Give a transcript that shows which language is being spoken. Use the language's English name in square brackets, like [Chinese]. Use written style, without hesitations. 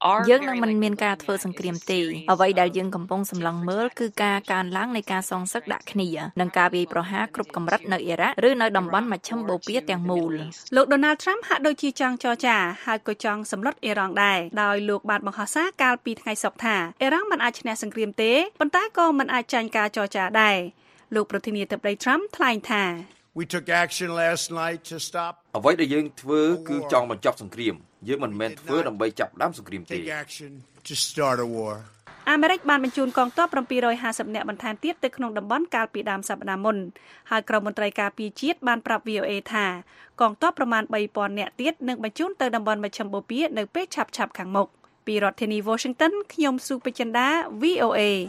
[Khmer] យើងនឹងមិនមានការធ្វើសង្គ្រាមទេអ្វីដែលយើងកំពុងសម្លឹងមើលគឺការកានឡើងនៃការសងសឹកដាក់គ្នានិងការវាយប្រហារគ្រប់កម្រិតនៅអ៊ីរ៉ាក់ឬនៅតំបន់មជ្ឈមបូព៌ាទាំងមូល លោក Donald Trump ហាក់ដូចជាចង់ចរចាហើយក៏ចង់សម្លុតអ៊ីរ៉ង់ដែរដោយលោកបានបង្ហោះសារកាលពីថ្ងៃសប្តាហ៍អ៊ីរ៉ង់មិនអាចឈ្នះសង្គ្រាមទេប៉ុន្តែក៏មិនអាចចាញ់ការចរចាដែរលោកប្រធានាធិបតី Trump ថ្លែងថា [English] We took action last night to stop [Khmer] អ្វីដែលយើងធ្វើគឺចង់បញ្ចប់សង្គ្រាមយើងមិនមែនធ្វើដើម្បីចាប់ផ្ដើមសង្គ្រាមទេ អាមេរិកបានបញ្ជូនកងទ័ព750នាក់បន្ថែមទៀតទៅក្នុងតំបន់កាលពីដើមសប្តាហ៍មុនហើយក្រុមមន្ត្រីការទូតជាតិបានប្រាប់ VOA ថាកងទ័ពប្រមាណ 3,000 នាក់ទៀតនឹងបញ្ជូនទៅតំបន់មជ្ឈមបូព៌ានៅពេលឆាប់ៗខាងមុខពីរដ្ឋធានី Washington ខ្ញុំស៊ូពេជ្រដា VOA